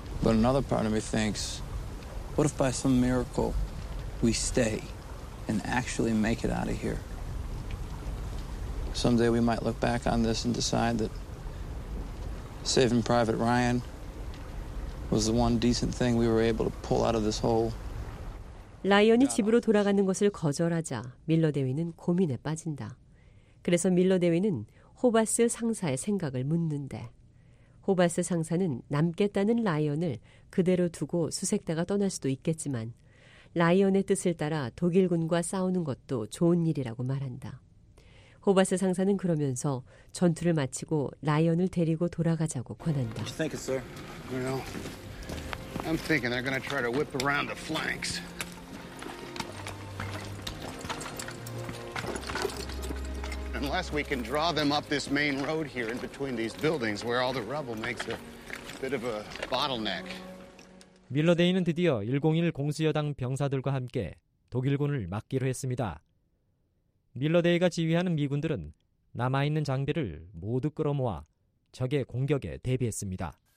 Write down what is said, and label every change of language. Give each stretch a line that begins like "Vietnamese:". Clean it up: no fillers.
English: But another part of me thinks, what if by some miracle we stay and actually make it out of here? Someday we might look back on this and decide that saving Private Ryan was the one decent thing we were able to pull out of this hole.
Korean: 라이언이 집으로 돌아가는 것을 거절하자 밀러 대위는 고민에 빠진다. 그래서 밀러 대위는 호바스 상사의 생각을 묻는데 호바스 상사는 남겠다는 라이언을 그대로 두고 수색대가 떠날 수도 있겠지만 라이언의 뜻을 따라 독일군과 싸우는 것도 좋은 일이라고 말한다. 호바스 상사는 그러면서 전투를 마치고 라이언을 데리고 돌아가자고 권한다.
English: What do you think, sir? Well, I'm thinking they're going to try to whip around the flanks. Unless we can draw them up this main road here in between these buildings where all the rubble makes a bit of a bottleneck.
Korean: 밀러 대위는 드디어 101 공수여당 병사들과 함께 독일군을 막기로 했습니다. 밀러 대위가 지휘하는 미군들은 남아있는 장비를 모두 끌어모아 적의 공격에 대비했습니다.